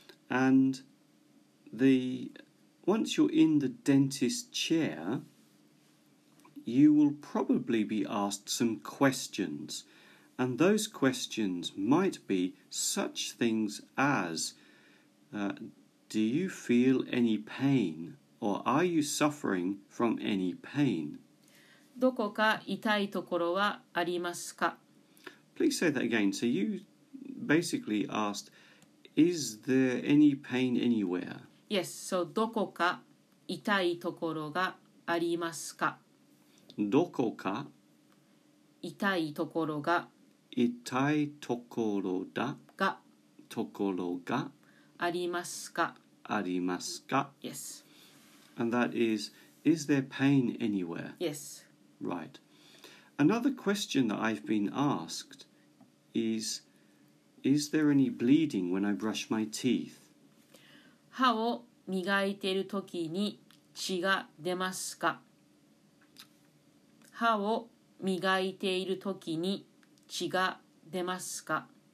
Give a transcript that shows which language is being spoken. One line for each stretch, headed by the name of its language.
English: And once you're in the dentist chair, you will probably be asked some questions. And those questions might be such things as, do you feel any pain? Or are you suffering from any pain?
Japanese: どこか痛いところはありますか?
English: Please say that again. So you basically asked, is there any pain anywhere? Yes, so
Japanese: どこか痛いところがありますか? どこか痛いところが痛いところだがところがありますか? ありますか?
English: Yes. And that is there pain anywhere? Yes. Right. Another question that I've been asked is there any bleeding when I brush my teeth?
Japanese: 歯を磨いているときに血が出ますか? 歯を磨いているときに血が出ますか?